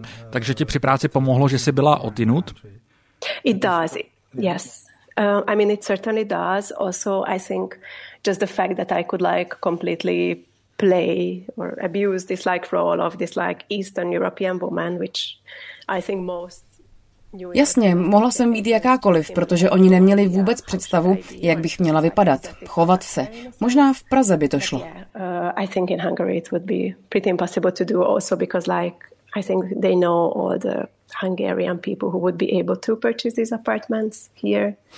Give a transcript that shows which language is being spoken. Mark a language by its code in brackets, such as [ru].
[cs] Takže ti při práci pomohlo, že jsi byla odinut? [en] It does, yes. I mean, it certainly does. Also, I think just the fact that I could like completely play or abuse this like role of this like Eastern European woman, which I think most. [cs] Jasně, mohla jsem být jakákoliv, protože oni neměli vůbec představu, jak bych měla vypadat, chovat se. Možná v Praze by to šlo. [en] I think in Hungary it would be pretty impossible to do also because like I think they know all the Hungarian people who would be able to purchase these apartments here.